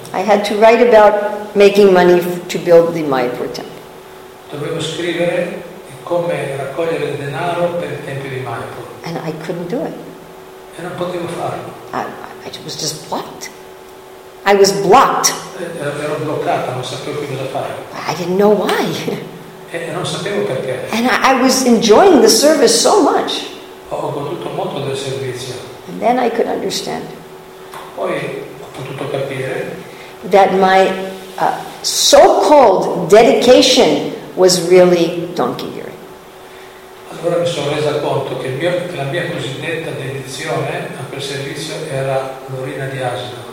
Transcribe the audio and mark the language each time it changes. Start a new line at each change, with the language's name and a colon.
English: I had to write about making money to build the Mayapur temple.
Italian: Dovevo scrivere come raccogliere il denaro per il tempio di Mayapur.
English: And I couldn't do it.
Italian: E non potevo farlo.
English: I was just blocked. I was blocked.
Italian: Ero bloccata, non sapevo più cosa fare.
English: I didn't know why.
Italian: E non sapevo perché.
English: And I was enjoying the service so much.
Italian: Ho goduto molto del servizio.
English: And then I could understand.
Italian: Poi ho potuto capire.
English: That my so-called dedication was really donkey earing.
Italian: Allora mi sono resa conto che la mia cosiddetta dedizione a quel servizio era l'orina di asino.